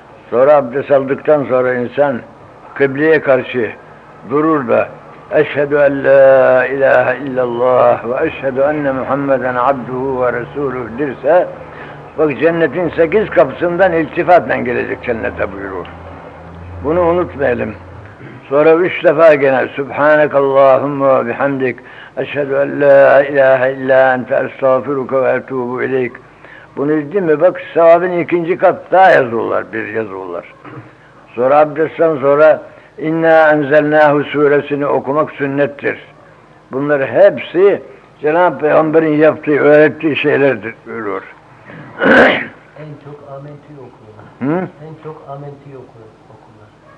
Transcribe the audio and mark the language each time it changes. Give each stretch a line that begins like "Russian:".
Turkish: Sonra abdest aldıktan sonra insan kıbleye karşı durur da
Arabic: اَشْهَدُ اَنْ لَا اِلَٰهَ اِلَّا اللّٰهِ وَاَشْهَدُ اَنَّ مُحَمَّدًا عَبْدُهُ وَرَسُولُهُ
Turkish: dirse bak cennetin sekiz kapısından iltifatla gelecek cennete buyurur. Bunu unutmayalım. Sonra üç defa gene
Arabic: سُبْحَانَكَ اللّٰهُمَّ وَبِحَمْدِكَ اَشْهَدُ اَنْ لَا اِلَٰهَ اِلَّا اَنْتَ اَسْتَغْفِرُكَ وَاَتُوبُ اِلَيْكَ
Turkish: Bunu izledin mi? Bak sevabın ikinci kat daha yazıyorlar, bir yazıyorlar. Sonra abdestten sonra اِنَّا اَنْزَلْنَاهُ suresini okumak sünnettir. Bunlar hepsi Cenab-ı Peygamber'in yaptığı, öğrettiği şeylerdir buyurur. En çok amenti okurlar. En çok amenti okurlar.